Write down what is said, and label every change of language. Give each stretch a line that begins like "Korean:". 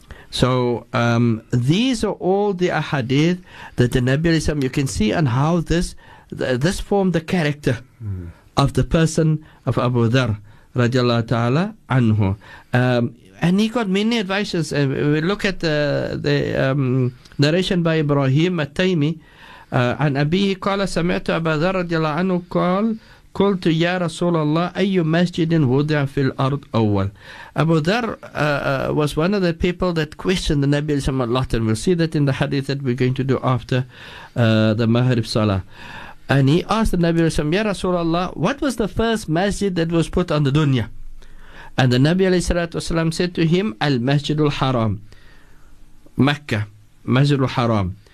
English: So these are all the ahadith that the Nabi alayhi salam, you can see on how this formed the character of the person of Abu Dharr radiallahu ta'ala anhu. And he got many advices. We look at the narration by Ibrahim At-Taymi.
Arabic: عن أبيه قال سمعت أبا ذر رضي الله عنه قال قلت يا رسول الله أي مسجد وضع في الأرض أول.
English: Abu Dharr was one of the people that questioned the Nabi a lot, and we'll see that in the hadith that we're going to do after the Maghrib Salah. And he asked the Nabi, ya رسول الله, what was the first masjid that was put on the dunya? And the Nabi said to him, المسجد الحرام, مكة, مسجد الحرام.